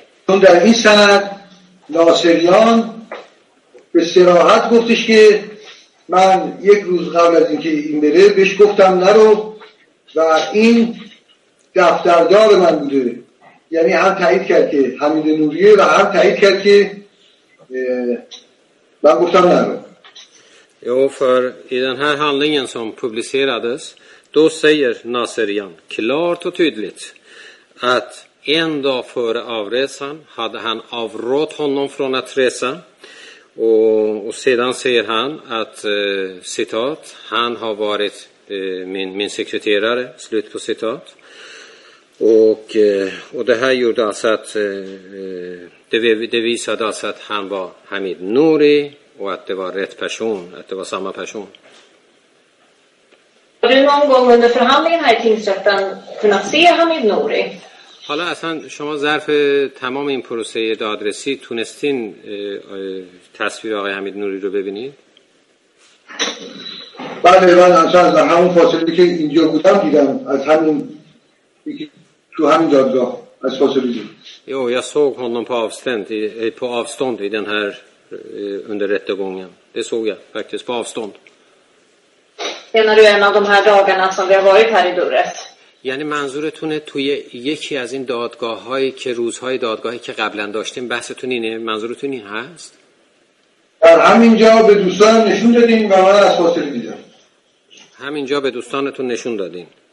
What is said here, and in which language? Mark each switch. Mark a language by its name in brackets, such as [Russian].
[Persian] Under en sanad Naserian به صراحت گفتش که من یک روز قبل از اینکه این بره بهش گفتم نرو و این دفتردار من بوده، یعنی هم تایید کرد که حمید نوریه و هم تایید کرد که من گفتم نرو. [Swedish] Jo, för i den här handlingen som publicerades, då säger Nasserian klart och tydligt att en dag före avresan hade han avrått honom från att resa. Och sedan säger han att, citat, han har varit min sekreterare, slut på citat. Och det här gjorde alltså att, det visade alltså att han var Hamid Nouri. Och att det var rätt person, att det var samma person. Har du någon gång under förhandlingen här i tingsrätten kunnat se Hamid Nouri? [Persian] حالا اصلا شما ظرف تمام این پروسه دادرسی تونستین تصویر آقای حمید نوری رو ببینید؟ بله، من اصلا از همون فاصله که اینجا بودم دیدم، از همون تو همین دادگاه از فاصله دیدم. [Swedish] Jag såg honom på avstånd i den här under rättegången. Det såg jag faktiskt på avstånd. Menar du en av de här dagarna som vi har varit här i Durres? [Persian] یعنی منظورتونه توی یکی از این دادگاه‌هایی که روزهای دادگاهی که قبلا داشتیم بحثتون اینه؟ منظورتون این هست؟ در همینجا به دوستان نشون دادیم و من از فاصله دیدم. همینجا به دوستانتون نشون دادیم.